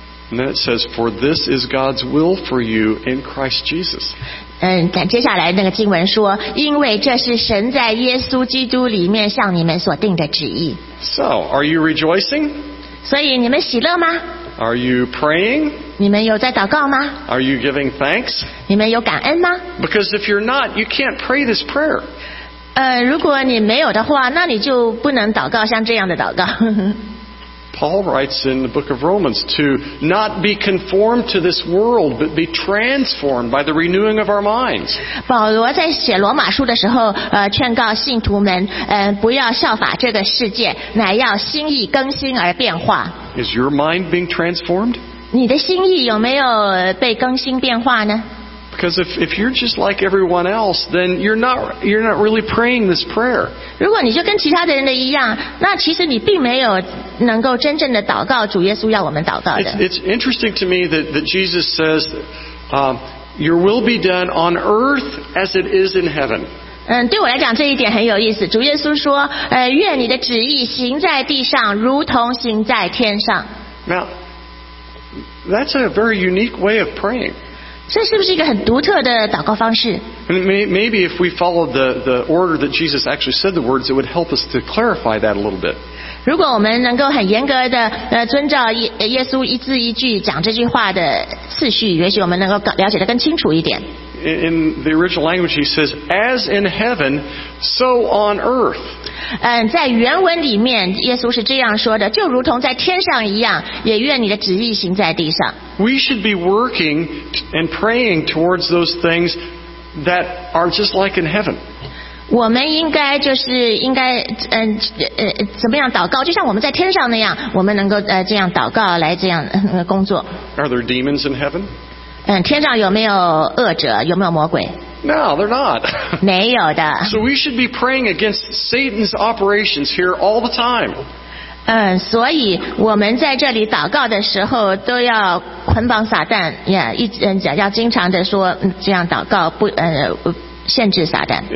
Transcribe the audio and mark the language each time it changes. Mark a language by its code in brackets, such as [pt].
[en] And then it says, "For this is God's will for you in Christ Jesus." [zh] 接下来那个经文说，因为这是神在耶稣基督里面向你们所定的旨意。 [en] So, are you rejoicing? [zh] 所以你们喜乐吗？ [en] Are you praying? [zh] 你们有在祷告吗？ [en] Are you giving thanks? [zh] 你们有感恩吗？ [en] Because if you're not, you can't pray this prayer. [zh] 如果你没有的话，那你就不能祷告像这样的祷告。 [en] Paul writes in the book of Romans to not be conformed to this world, but be transformed by the renewing of our minds. [zh] 保罗在写罗马书的时候，劝告信徒们，不要效法这个世界，乃要心意更新而变化。 [en] Is your mind being transformed? [zh] 你的心意有没有被更新变化呢？ [en] Because if you're just like everyone else, then you're not really praying this prayer. [zh] 如果你就跟其他的人的一样，那其实你并没有。能够真正的祷告主耶稣要我们祷告的。 [en] It's interesting to me that Jesus says, "Your will be done on earth as it is in heaven." [zh] 对我来讲这一点很有意思。主耶稣说，愿你的旨意行在地上，如同行在天上。 [en] Now, that's a very unique way of praying. [zh] 这是不是一个很独特的祷告方式？ [en] Maybe if we followed the order that Jesus actually said the words, it would help us to clarify that a little bit. [zh] 如果我们能够很严格的遵照耶稣一字一句讲这句话的次序，也许我们能够了解得更清楚一点。 [en] In the original language, he says, "As in heaven, so on earth." [zh] 在原文里面，耶稣是这样说的：“就如同在天上一样，也愿你的旨意行在地上。” [en] We should be working and praying towards those things that are just like in heaven. [zh] 我们应该就是应该怎么样祷告？就像我们在天上那样，我们能够这样祷告来这样工作。 [en] Are there demons in heaven? [zh] 天上有没有恶者？有没有魔鬼？ [en] No, they're not. [zh] 没有的。 [en] So we should be praying against Satan's operations here all the time. [zh] 所以我们在这里祷告的时候都要捆绑撒旦，要经常的说这样祷告不限制撒旦。